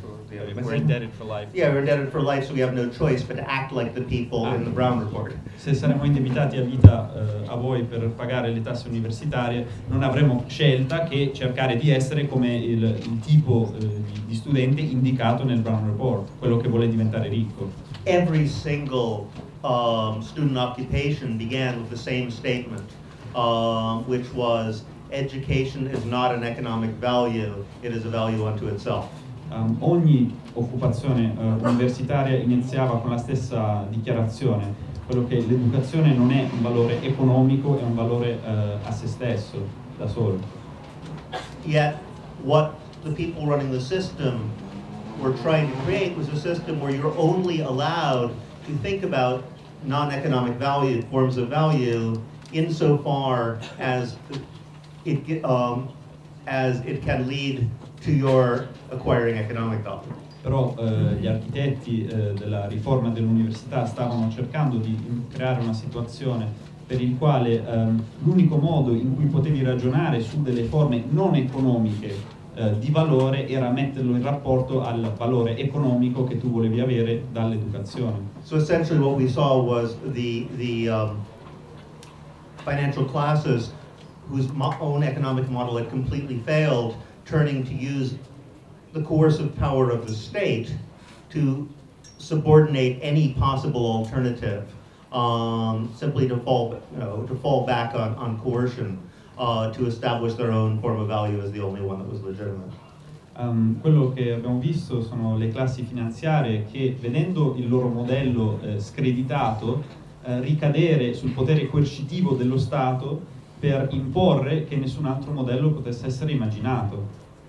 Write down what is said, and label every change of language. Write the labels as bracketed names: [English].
[English] We're indebted for life, so we have no choice but to act like the people in the Brown Report. [Italian] Se saremo indebitati a vita a voi per pagare le tasse universitarie, non avremo scelta che cercare di essere come il tipo di studente indicato nel Brown Report, quello che vuole diventare ricco. [English] Every single student occupation began with the same statement, which was education is not an economic value, it is a value unto itself. [Italian] Ogni occupazione universitaria iniziava con la stessa dichiarazione, quello che l'educazione non è un valore economico, è un valore a se stesso, da solo. [English] Yet what the people running the system were trying to create was a system where you're only allowed to think about non-economic value, forms of value, insofar as it can lead to your acquiring economic value. [Italian] Però gli architetti della riforma dell'università stavano cercando di creare una situazione per il quale l'unico modo in cui potevi ragionare su delle forme non economiche di valore era metterlo in rapporto al valore economico che tu volevi avere dall'educazione. [English] So essentially what we saw was the financial classes whose own economic model had completely failed turning to use the coercive power of the state to subordinate any possible alternative simply to fall, you know, to fall back on coercion to establish their own form of value as the only one that was legitimate. [Italian] Quello che abbiamo visto sono le classi finanziarie che, vedendo il loro modello screditato, ricadere sul potere coercitivo dello Stato per imporre che nessun altro modello potesse essere immaginato.